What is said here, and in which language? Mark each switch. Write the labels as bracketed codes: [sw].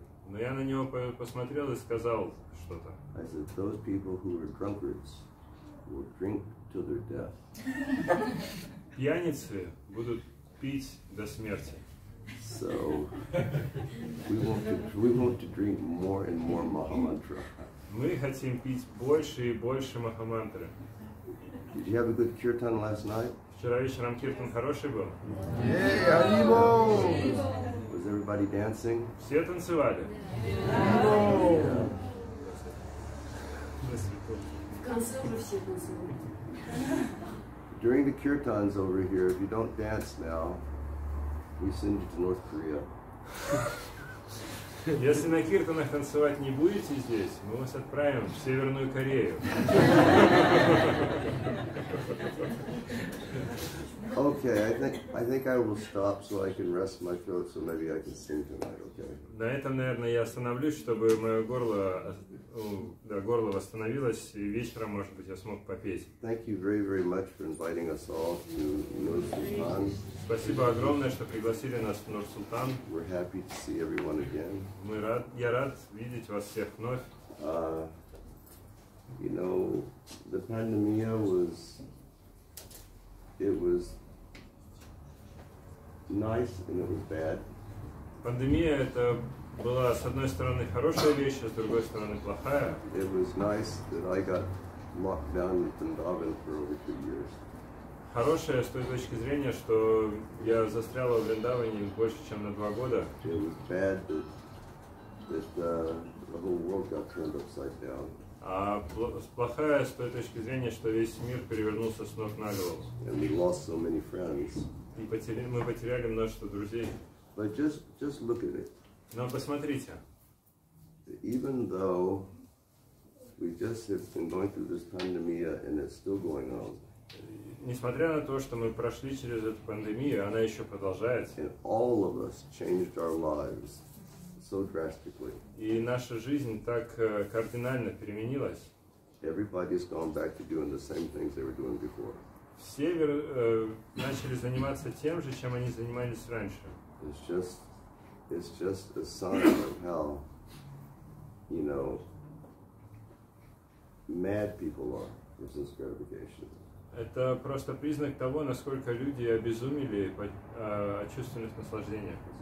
[ru] Но я на него посмотрел и сказал что-то. [en] I said, those people who are drunkards will drink to their death. [ru] Пьяницы будут пить до смерти. [en] So, we want to drink more and more Mahamantra. [ru] Мы хотим пить больше и больше Mahamantra. [en] Did you have a good kirtan last night? [ru] Вчера вечером киртан хороший был? [en] Hey, Haribo! Was everybody dancing? [ru] Все танцевали. Yeah. [en] Haribo! [ru] В конце уже все танцевали. [en] During the kirtans over here, if you don't dance now, we send you to North Korea. [ru] Если на киртанах танцевать не будете здесь, мы вас отправим в Северную Корею. [en] Okay, I think I will stop so I can rest my throat so maybe I can sing tonight, okay? [ru] На этом, наверное, я остановлюсь, чтобы мое горло, да, горло восстановилось, и вечером, может быть, я смог попеть. [en] Thank you very, very much for inviting us all to Nur-Sultan. [ru] Спасибо огромное, что пригласили нас в Нур-Султан. [en] We're happy to see everyone again. [ru] Я рад видеть вас всех вновь. [en] You know, the pandemia was... It was nice and it was bad. [ru] Пандемия это была с одной стороны хорошая вещь, а с другой стороны плохая. [en] It was nice that I got locked down in Vrindavan for over 2 years. [ru] Хорошая с той точки зрения, что я застрял в Вриндаване больше чем на 2 года. [en] It was bad that the whole world got turned upside down. [ru] А плохая с той точки зрения, что весь мир перевернулся с ног на голову. [en] And we lost so many friends. [ru] И мы потеряли множество друзей. [en] But just look at it. [ru] Но посмотрите. [en] Even though we just have been going through this pandemia and it's still going on. [ru] Несмотря на то, что мы прошли через эту пандемию, она еще продолжается. [en] And all of us changed our lives. So drastically. [ru] И наша жизнь так кардинально переменилась. [en] Everybody's gone back to doing the same things they were doing before. [ru] Все начали заниматься тем же, чем они занимались раньше. [en] It's just a sign of how, you know, mad people are with this gratification. [ru] Это просто признак того, насколько люди обезумели от чувственных наслаждений.